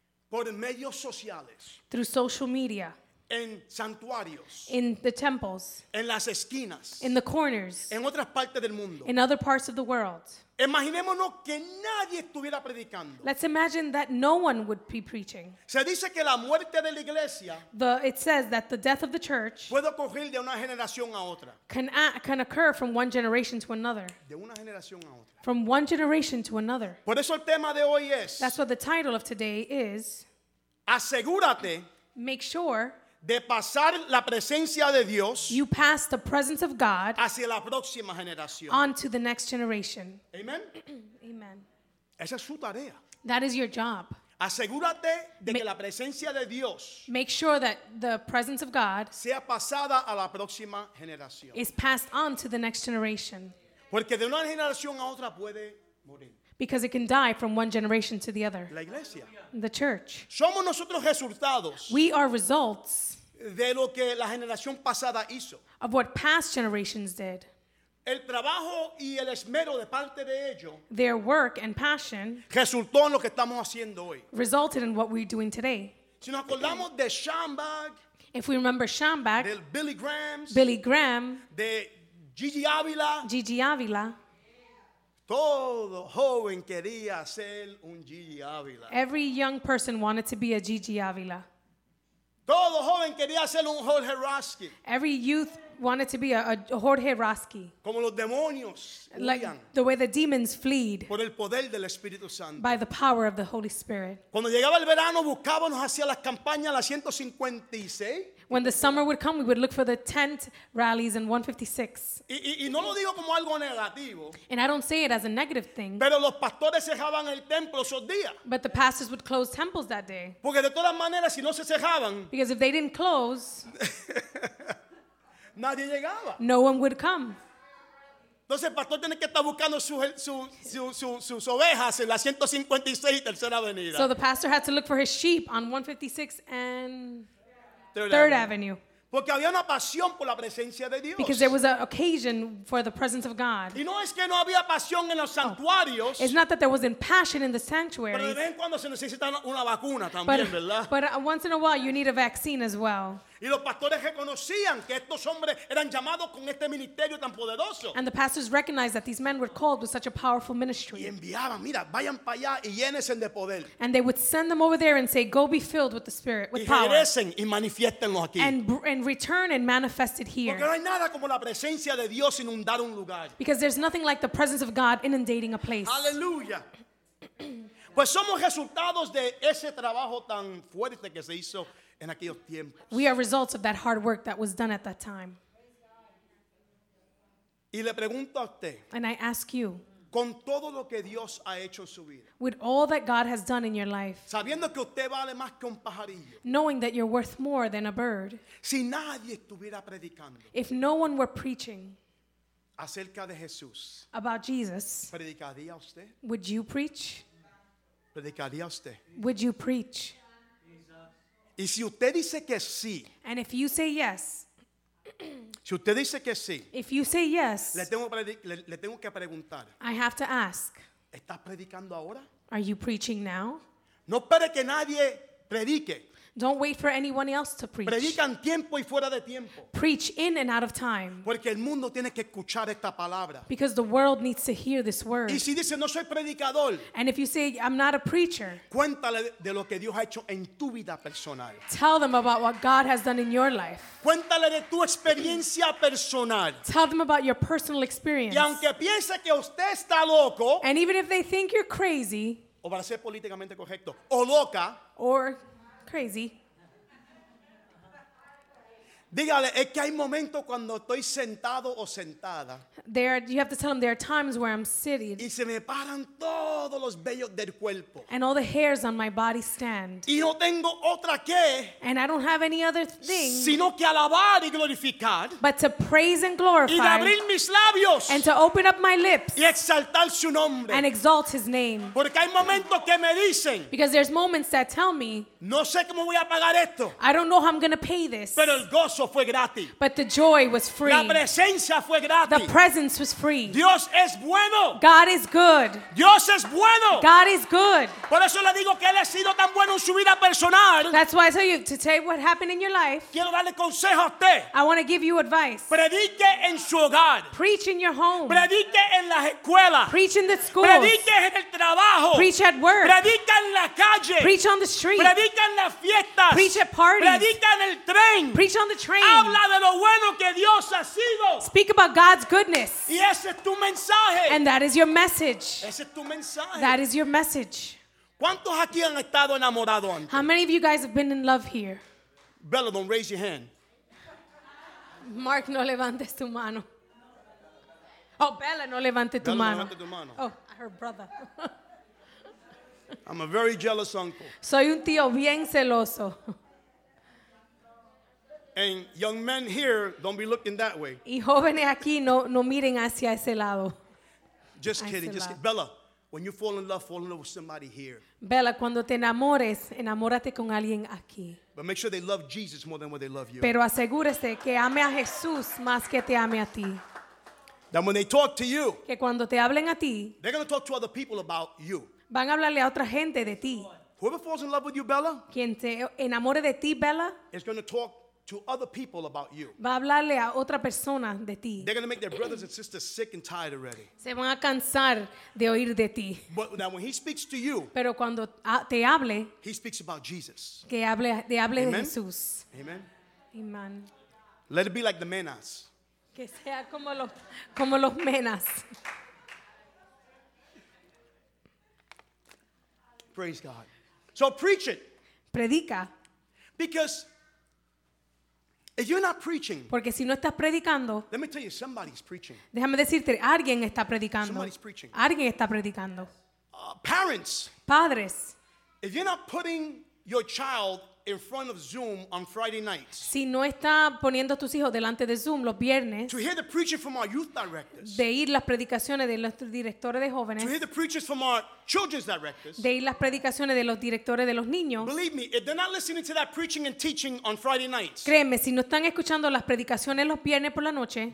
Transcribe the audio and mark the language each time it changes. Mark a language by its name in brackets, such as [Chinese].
[Spanish] por medios sociales, [English] through social media, [Spanish] en santuarios, [English] in the temples, [Spanish] en las esquinas, [English] in the corners, [Spanish] en otras partes del mundo, [English] in other parts of the world. [Spanish] Imaginémonos que nadie estuviera predicando. [English] Let's imagine that no one would be preaching. [Spanish] Se dice que la muerte de la iglesia, [English] it says that the death of the church, [Spanish] puede ocurrir de una generación a otra. [English] Can occur from one generation to another. [Spanish] De una generación a otra. [English] From one generation to another. [Spanish] Por eso el tema de hoy es, [English] that's what the title of today is, [Spanish] asegúrate, [English] make sure, [Spanish] de pasar la presencia de Dios, [English] you pass the presence of God, [Spanish] hacia la próxima generación, [English] onto the next generation. [Spanish] Amen. [English] Amen. [Spanish] Esa es su tarea. [English] That is your job. [Spanish] Asegúrate de que la presencia de Dios, [English] make sure that the presence of God, [Spanish] sea pasada a la próxima generación, [English] is passed on to the next generation. [Spanish] Porque de una generación a otra puede morir. [English] Because it can die from one generation to the other. [Spanish] La iglesia. [English] The church. [Spanish] Somos nosotros resultados. [English] We are results. [Spanish] De lo que la generación pasada hizo. [English] Of what past generations did. [Spanish] El trabajo y el esmero de parte de ello, [English] their work and passion. [Spanish] Resultó en lo que estamos haciendo hoy. [English] Resulted in what we're doing today. [Spanish] Si nos acordamos de Schomburg, [English] if we remember Schomburg. [Spanish] Del Billy Graham. [English] Billy Graham. [Spanish] De Gigi Ávila. [English] Gigi Ávila. [Spanish] Todo joven quería ser un Gigi Ávila. [English] Every young person wanted to be a Gigi Ávila. [Spanish] Todo joven quería ser un Jorge Roski. [English] Every youth wanted to be a Jorge Roski. [Spanish] Como los demonios huían. [English] The way the demons fled. [Spanish] Por el poder del Espíritu Santo. [English] By the power of the Holy Spirit. [Spanish] Cuando llegaba el verano buscábamos hacia las campañas las 156. [English] When the summer would come, we would look for the tent rallies in 156. [Spanish] Y no lo digo como algo negativo. [English] And I don't say it as a negative thing. [Spanish] Pero los pastores cerraban el templo esos días. [English] But the pastors would close temples that day. [Spanish] Porque de todas maneras, si no se cerraban, [English] because if they didn't close, [Spanish] nadie llegaba. [English] No one would come. [Spanish] Entonces el pastor tiene que estar buscando sus ovejas en la 156 y tercera avenida. [English] So the pastor had to look for his sheep on 156 and... Third Avenue. [Spanish] Porque había una pasión por la presencia de Dios. [English] Because there was an occasion for the presence of God. [Spanish] Y no es que no había pasión en los santuarios. [English] It's not that there wasn't passion in the sanctuaries. [Spanish] Pero de vez en cuando se necesita una vacuna también, ¿verdad? [English] But once in a while you need a vaccine as well. [Spanish] Y los pastores reconocían que estos hombres eran llamados con este ministerio tan poderoso. [English] And the pastors recognized that these men were called with such a powerful ministry. [Spanish] Y enviaban, mira, vayan para allá y llénense de poder. [English] And they would send them over there and say, go be filled with the Spirit, with power. [Spanish] Y regresen y manifiéstenlo aquí. [English] And return and manifest it here. [Spanish] Porque no hay nada como la presencia de Dios inundar un lugar. [English] Because there's nothing like the presence of God inundating a place. [Spanish] Aleluya. Pues somos resultados de ese trabajo tan fuerte que se hizo. [English] We are results of that hard work that was done at that time. [Spanish] Y le pregunto a usted, [English] and I ask you, [Spanish] con todo lo que Dios ha hecho en su vida, [English] with all that God has done in your life, [Spanish] sabiendo que usted vale más que un pajarillo, [English] knowing that you're worth more than a bird, [Spanish] si nadie estuviera predicando, [English] if no one were preaching [Spanish] acerca de Jesús, [English] about Jesus, [Spanish] ¿predicaría usted? [English] Would you preach? [Spanish] ¿Predicaría usted? [English] Would you preach? [Spanish] Y si usted dice que sí, [English] and if you say yes, [Spanish] si usted dice que sí, [English] if you say yes, [Spanish] le tengo que preguntar, [English] I have to ask, [Spanish] ¿estás predicando ahora? [English] Are you preaching now? [Spanish] No espere que nadie predique. [English] Don't wait for anyone else to preach. [Spanish] Predica en tiempo y fuera de tiempo. [English] Preach in and out of time. [Spanish] Porque el mundo tiene que escuchar esta palabra. [English] Because the world needs to hear this word. [Spanish] Y si dice, no soy predicador, [English] and if you say, I'm not a preacher, [Spanish] cuéntale de lo que Dios ha hecho en tu vida personal. [English] Tell them about what God has done in your life. [Spanish] Cuéntale de tu experiencia personal. [English] Tell them about your personal experience. [Spanish] Y aunque piense que usted está loco, [English] and even if they think you're crazy, [Spanish] o para ser políticamente correcto, o loca, [English] or crazy. [Spanish] Dígale, es que hay momentos cuando estoy sentado o sentada. [English] You have to tell them there are times where I'm sitting. [Spanish] Y se me paran todos los vellos del cuerpo. [English] And all the hairs on my body stand. [Spanish] Y no tengo otra que. [English] And I don't have any other thing. [Spanish] Sino que alabar y glorificar. [English] But to praise and glorify. [Spanish] Y de abrir mis labios. [English] And to open up my lips. [Spanish] Y exaltar su nombre. [English] And exalt his name. [Spanish] Porque hay momentos que me dicen. [English] Because there's moments that tell me. [Spanish] No sé cómo voy a pagar esto. [English] I don't know how I'm going to pay this. [Spanish] Pero el gozo fue gratis. [English] But the joy was free. [Spanish] La presencia fue gratis. [English] The presence was free. [Spanish] Dios es bueno. [English] God is good. [Spanish] Dios es bueno. [English] God is good. [Spanish] Por eso le digo que él ha sido tan bueno en su vida personal. [English] That's why I tell you to tell you what happened in your life. [Spanish] Quiero darle consejo a usted. [English] I want to give you advice. [Spanish] Predique en su hogar. [English] Preach in your home. [Spanish] Predique en la escuela. [English] Preach in the schools. [Spanish] Predique en el trabajo. [English] Preach at work. [Spanish] Predique en la calle. [English] Preach on the street. [Spanish] Predique en las fiestas. [English] Preach at parties. [Spanish] Predique en el tren. [English] Preach on the train. [Spanish] Habla de lo bueno que Dios ha sido. [English] Speak about God's goodness. [Spanish] Y ese es tu mensaje. [English] And that is your message. [Spanish] Ese es tu mensaje. [English] That is your message. [Spanish] ¿Cuántos aquí han estado enamorado antes? [English] How many of you guys have been in love here? Bella, don't raise your hand. [Spanish] Mark, no levantes tu mano. Oh, Bella, no levante tu mano. [English] Oh, her brother. I'm a very jealous uncle. [Spanish] Soy un tío bien celoso. [English] And young men here, don't be looking that way. [Spanish] Y jóvenes aquí, no miren hacia ese lado. [English] Just kidding, just kidding. Bella, when you fall in love with somebody here. [Spanish] Bella, cuando te enamores, enamórate con alguien aquí. [English] But make sure they love Jesus more than what they love you. [Spanish] Pero asegúrese que ame a Jesús más que te ame a ti. [English] Then when they talk to you, [Spanish] que cuando te hablen a ti, [English] they're going to talk to other people about you. [Spanish] Van a hablarle a otra gente de ti. [English] Whoever falls in love with you, Bella, [Spanish] quien te enamore de ti, Bella, [English] is going to talk to other people about you. [Spanish] Va a hablarle a otra persona de ti. [English] They're going to make their brothers and sisters sick and tired already. [Spanish] Se van a cansar de oír de ti. [English] But now when he speaks to you, [Spanish] pero cuando te hable, [English] he speaks about Jesus. [Spanish] Que hable, te hable de Jesús. [English] Amen. [Spanish] Amen. [English] Let it be like the menas. [Spanish] Que sea como los menas. [English] Praise God. So preach it. [Spanish] Predica. [English] Because if you're not preaching, [Spanish] porque si no estás predicando, [English] let me tell you, somebody's preaching. [Spanish] Déjame decirte, alguien está predicando. [English] Somebody's preaching. [Spanish] Alguien está predicando. [English] Parents. [Spanish] Padres. [English] If you're not putting your child in front of Zoom on Friday nights. [Spanish] Si no está poniendo a tus hijos delante de Zoom los viernes. [English] To hear the preaching from our youth directors. [Spanish] De ir las predicaciones de nuestros directores de jóvenes. [English] To hear the preachers from our children's directors. [Spanish] De ir las predicaciones de los directores de los niños. [English] Believe me, if they're not listening to that preaching and teaching on Friday nights. [Spanish] Créeme, si no están escuchando las predicaciones los viernes por la noche.